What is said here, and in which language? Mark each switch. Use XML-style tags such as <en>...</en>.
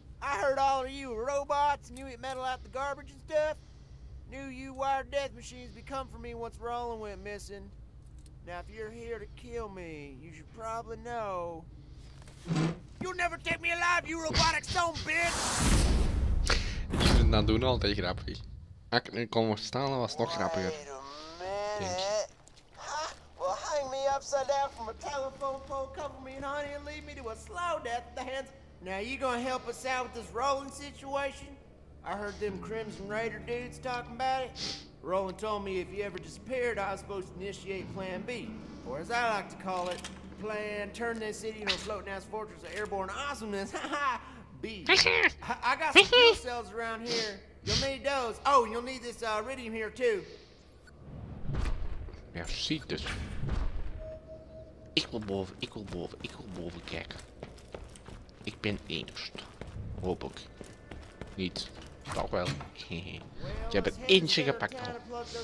<en>I heard all of you robots and you eat metal out the garbage and stuff. Knew you wired death machines become for me once Roland went missing. Now, if you're here to kill me, you should probably know. You'll never take me alive, you robotic stone bitch!</en> <nl>Ik vind dat doen altijd grappig. Als ik nu kon verstaan, was het nog grappiger.</nl> <en>Wait a minute. Huh? Well, hang me upside down from a telephone pole, cover me in honey, and leave me to a slow death at the hands. Now, you gonna help us out with this Roland situation? I heard them Crimson Raider dudes talking about it. Roland told me if you ever disappeared, I was supposed to initiate Plan B. Or as I like to call it, plan turn this city into a floating ass fortress of airborne awesomeness. B. I got some fuel cells around here. You'll need those. Oh, and you'll need this iridium here too.</en> <nl>Merci, dus. Ik wil boven kijken. Ik ben eerst. Hoop ik. Niet. Toch wel. Je hebt er eentje gepakt al.</nl>